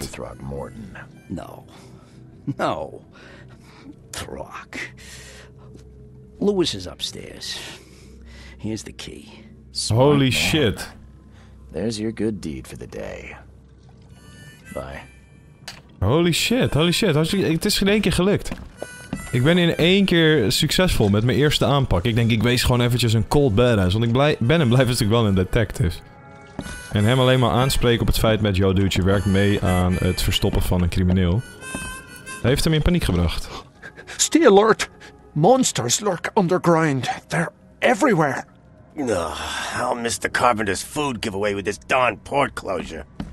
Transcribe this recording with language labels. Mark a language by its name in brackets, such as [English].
[English] Mr. Throgmorton. No. No. Throck. Lewis is upstairs. Here's the key. Smart Holy man. Shit. There's your good deed for the day. Bye. Holy shit. [Dutch] Het is in één keer gelukt. Ik ben in één keer succesvol met mijn eerste aanpak. Ik denk, ik wees gewoon eventjes een cold badass. Want ik ben en blijf natuurlijk wel een detective. En hem alleen maar aanspreken op het feit met... [English] Yo, dude, [Dutch] je werkt mee aan het verstoppen van een crimineel. Hij heeft hem in paniek gebracht. [English] Stay alert. Monsters lurk underground. They're everywhere. Ugh, I'll miss the Carpenter's food giveaway with this darn port closure.